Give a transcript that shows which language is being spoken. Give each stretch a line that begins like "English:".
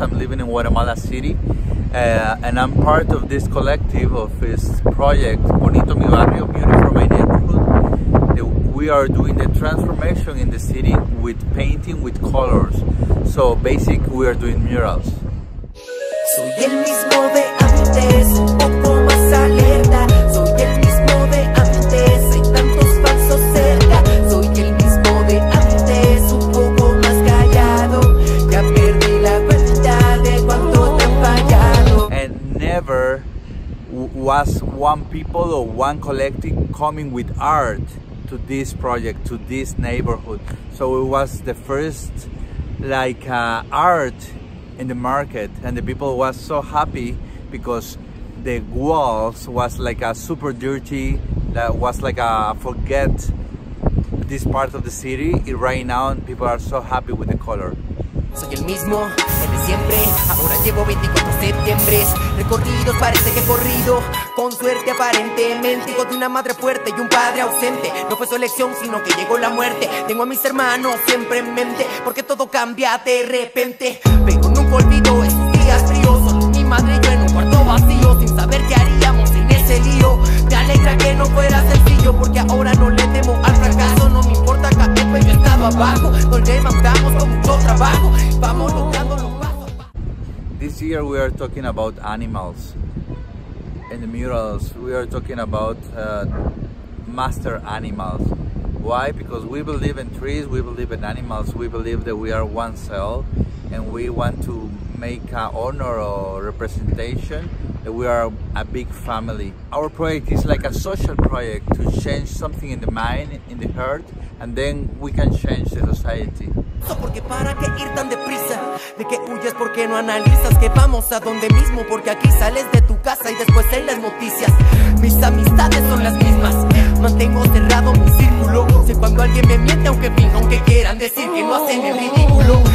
English: I'm living in Guatemala City, and I'm part of this collective of this project, Bonito Mi Barrio, Beautiful My Neighborhood. We are doing the transformation in the city with painting, with colors. So basically, we are doing murals.
Spanish: Soy el mismo de antes, poco más alerta. Soy el mismo de antes, hay tantos falsos cerca. Soy el mismo de antes, un poco más callado. Ya perdí la cuenta de cuánto te han fallado.
English: And never was one people or one collective coming with art to this project, to this neighborhood. So it was the first art in the market, and the people was so happy because the walls was like a super dirty, that was like a forget this part of the city. It right now people are so happy with the color.
Spanish: Soy el mismo, el de siempre, ahora llevo 24 septiembre. Recorridos parece que he corrido, con suerte aparentemente. Hijo de una madre fuerte y un padre ausente, no fue su elección sino que llegó la muerte. Tengo a mis hermanos siempre en mente, porque todo cambia de repente. Vengo, nunca olvido esos días fríos, solo mi madre y yo en un cuarto vacío, sin saber qué haríamos sin ese lío. Me alegra que no fuera sencillo, porque ahora no le temo al fracaso. No me importa caer, pero yo he estado abajo, nos levantamos con mucho trabajo. Vamos luchando los pasos.
English: This year we are talking about animals. In the murals, we are talking about master animals. Why? Because we believe in trees, we believe in animals, we believe that we are one cell, and we want to make an honor or representation that we are a big family. Our project is like a social project to change something in the mind, in the heart, and then we can change the society.
Spanish: Porque para qué ir tan deprisa, de que huyes porque no analizas, que vamos a donde mismo, porque aquí sales de tu casa y después en las noticias. Mis amistades son las mismas, mantengo cerrado mi círculo. Sé cuando alguien me miente, aunque finja, aunque quieran decir que no hacen el ridículo.